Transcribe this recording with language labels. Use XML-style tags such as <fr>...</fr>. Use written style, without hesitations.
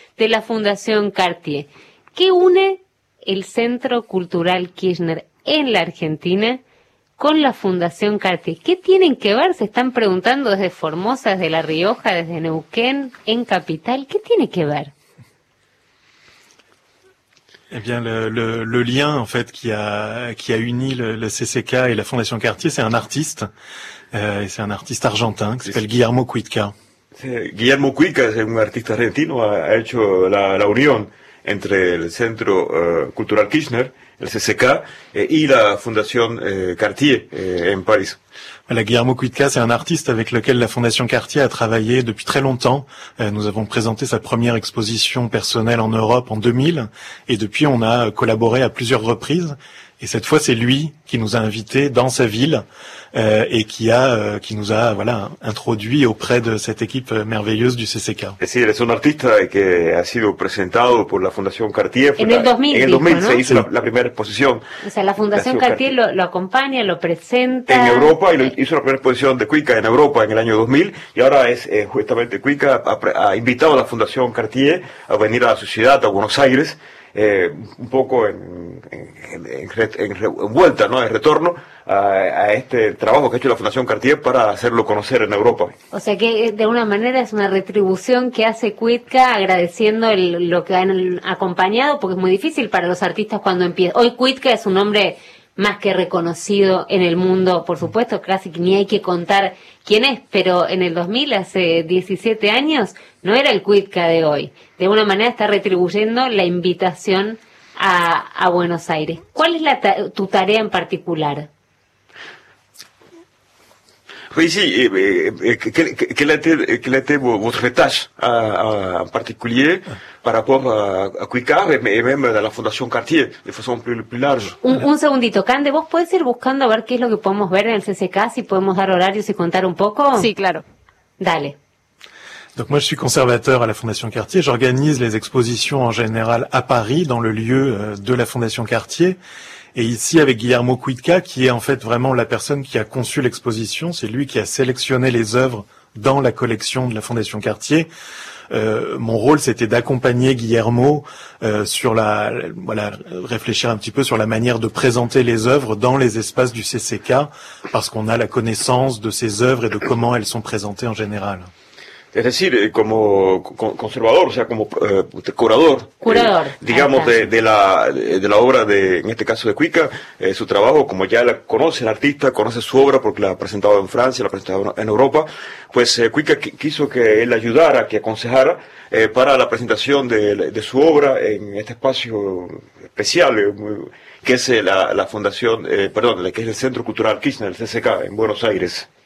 <es>De la Fundación Cartier. ¿Qué une el Centro Cultural Kirchner en la Argentina con la Fundación Cartier? ¿Qué tienen que ver? Se están preguntando desde Formosa, desde La Rioja, desde Neuquén, en Capital. ¿Qué tiene que ver?</es> <fr>Eh bien, le lien, en fait, qui a uni le CCK et la Fundación Cartier, c'est un artiste. C'est un artiste argentin qui s'appelle Guillermo Cuitca.</fr> <es>Guillermo Cuitca es un artista argentino, ha hecho la unión entre el Centro Cultural Kirchner, el CCK, y la Fundación Cartier en París.</es> <fr>Voilà, Guillermo Cuitca, c'est un artiste avec lequel la Fondation Cartier a travaillé depuis très longtemps. Nous avons présenté sa première exposition personnelle en Europe en 2000, et depuis on a collaboré à plusieurs reprises. Et cette fois, c'est lui qui nous a invités dans sa ville et qui nous a voilà introduit auprès de cette équipe merveilleuse du CCK. Et si, il est un artiste qui a été présenté par la Fondation Cartier. En 2000, en 2000, c'est ici la première exposition.</fr> <es>O sea, la Fundación Cartier lo acompaña, lo presenta. En Europa, y hizo la primera exposición de Cuitca en Europa en el año 2000, y ahora es justamente Cuitca ha invitado a la Fundación Cartier a venir a su ciudad, a Buenos Aires. Un poco en vuelta, ¿no? En retorno a este trabajo que ha hecho la Fundación Cartier para hacerlo conocer en Europa. O sea que de una manera es una retribución que hace Cuitca agradeciendo lo que han acompañado, porque es muy difícil para los artistas cuando empiezan. Hoy Cuitca es un hombre más que reconocido en el mundo, por supuesto, casi ni hay que contar quién es, pero en el 2000, hace 17 años, no era el Cuitca de hoy. De una manera está retribuyendo la invitación a Buenos Aires. ¿Cuál es tu tarea en particular?</es> <fr>Oui, si, quelle était votre tâche en particulier par rapport à Cuitca et même à la Fundación Cartier, de façon plus large?</fr> <es>Un segundito, Cande, vos podés ir buscando a ver qué es lo que podemos ver en el CCK, si podemos dar horarios y contar un poco. Sí, claro. Dale.</es> <fr>Donc moi je suis conservateur à la Fondation Cartier, j'organise les expositions en général à Paris, dans le lieu de la Fondation Cartier. Et ici, avec Guillermo Cuitca, qui est en fait vraiment la personne qui a conçu l'exposition, c'est lui qui a sélectionné les œuvres dans la collection de la Fondation Cartier. Mon rôle, c'était d'accompagner Guillermo sur réfléchir un petit peu sur la manière de présenter les œuvres dans les espaces du CCK, parce qu'on a la connaissance de ces œuvres et de comment elles sont présentées en général.</fr> <es>Es decir, como conservador, o sea, como curador. Curador. Digamos, de la obra de, en este caso, de Cuitca, su trabajo, como ya la conoce el artista, conoce su obra porque la ha presentado en Francia, la ha presentado en Europa, pues Cuitca quiso que él ayudara, que aconsejara para la presentación de su obra en este espacio especial, que es la Fundación, perdón, que es el Centro Cultural Kirchner, el CCK, en Buenos Aires.</es>